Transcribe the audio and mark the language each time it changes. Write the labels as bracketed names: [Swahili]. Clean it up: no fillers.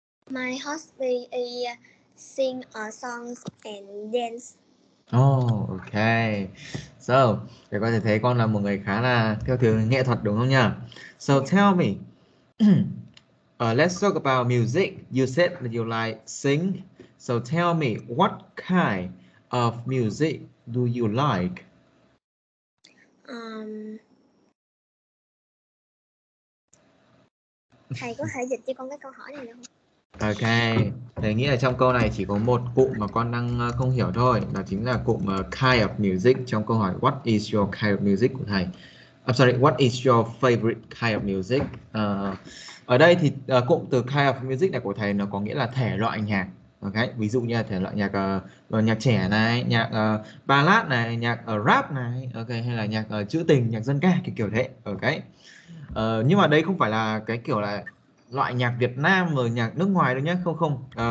[English] My hobby is sing a song and dance. Oh, okay. [Vietnamese] So, để có thể thấy con là một người khá là theo thường nghệ thuật đúng không nhỉ? [English] So, tell me, let's talk about music. You said that you like sing. So, tell me, what kind of music do you like? [Vietnamese] Thầy có thể dịch cho con cái câu hỏi này được không? Ok, thầy nghĩ là trong câu này chỉ có một cụm mà con đang không hiểu thôi. Đó chính là cụm kind of music trong câu hỏi [English] What is your kind of music [Vietnamese] của thầy? [English] I'm sorry, what is your favorite kind of music? [Vietnamese] Ở đây thì cụm từ kind of music này của thầy nó có nghĩa là thể loại nhạc. Ok, ví dụ như là thể loại nhạc nhạc trẻ này, nhạc ballad này, nhạc rap này, ok, hay là nhạc trữ tình, nhạc dân ca kiểu thế. Ok. Nhưng mà đây không phải là cái kiểu là loại nhạc Việt Nam và nhạc nước ngoài đâu nhé, không.